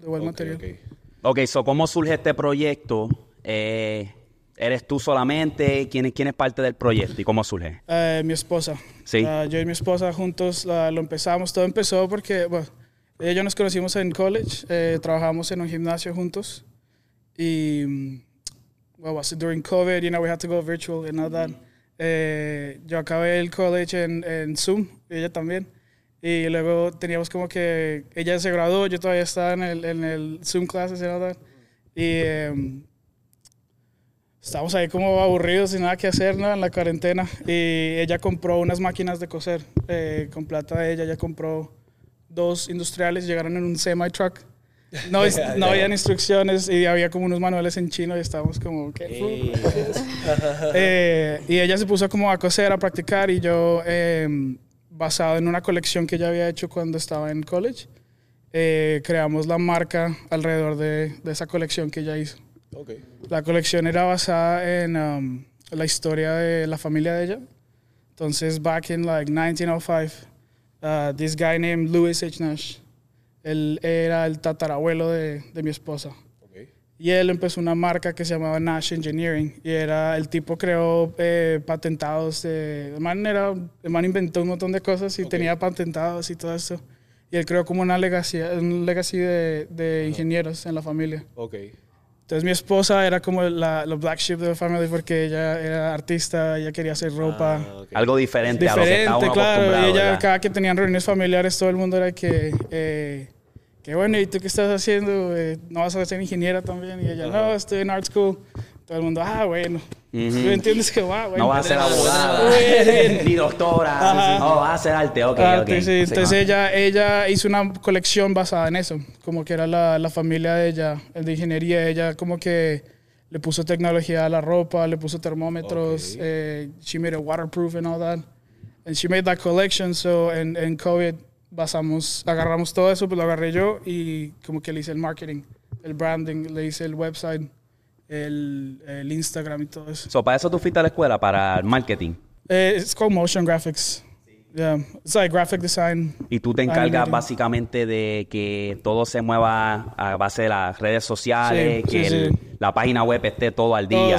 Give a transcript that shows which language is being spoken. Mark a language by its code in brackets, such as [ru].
[es] De buen okay, material. Ok, so ¿cómo surge este proyecto? ¿Eres tú solamente? ¿Quién es parte del proyecto y cómo surge? Mi esposa. ¿Sí? Yo y mi esposa juntos lo empezamos. Todo empezó porque, bueno, ella y yo nos conocimos en college. Trabajamos en un gimnasio juntos. [en] Y, well, was it during COVID, you know, we had to go virtual and all that. Mm-hmm. [es] Yo acabé el college en Zoom, ella también. Y luego teníamos como que, ella se graduó, yo todavía estaba en el Zoom classes and all that. Y... estábamos ahí como aburridos, sin nada que hacer, ¿no? En la cuarentena. Y ella compró unas máquinas de coser con plata de ella. Ella compró dos industriales, llegaron en un semi-truck. No, no habían instrucciones y había como unos manuales en chino y estábamos como, ¿qué? Okay. Y ella se puso como a coser, a practicar, y yo, basado en una colección que ella había hecho cuando estaba en college, creamos la marca alrededor de esa colección que ella hizo. Okay. La colección era basada en la historia de la familia de ella. [en] Entonces, back in like 1905, this guy named Louis H. [es] Nash, él era el tatarabuelo de mi esposa. Okay. Y él empezó una marca que se llamaba Nash Engineering. Y era el tipo creó patentados. El man inventó un montón de cosas y okay. Tenía patentados y todo eso. Y él creó como un legacy de ingenieros en la familia. Okay. Entonces mi esposa era como la black sheep de la familia porque ella era artista, ella quería hacer ropa. Okay. Algo diferente, diferente a lo que estaba uno acostumbrado. Claro, y ella, cada que tenían reuniones familiares, todo el mundo era que... Qué bueno, ¿y tú qué estás haciendo? ¿No vas a ser ingeniera también? Y ella, no, estoy en art school. Todo el mundo, bueno. Uh-huh. ¿Tú entiendes que va, bueno? No vas a ser abogada. Ni doctora. No, vas a hacer arte. Okay. Sí. Entonces ella hizo una colección basada en eso. Como que era la familia de ella, el de ingeniería. Ella como que le puso tecnología a la ropa, le puso termómetros. [en] Okay. She made it waterproof and all that. And she made that collection, so in COVID... [es] agarramos todo eso, pues lo agarré yo y como que le hice el marketing, el branding, le hice el website, el Instagram y todo eso. So, ¿para eso tú fuiste a la escuela, para el marketing? [en] It's called motion graphics. Yeah, it's like graphic design. [es] ¿Y tú te encargas básicamente de que todo se mueva a base de las redes sociales, la página web esté todo al día?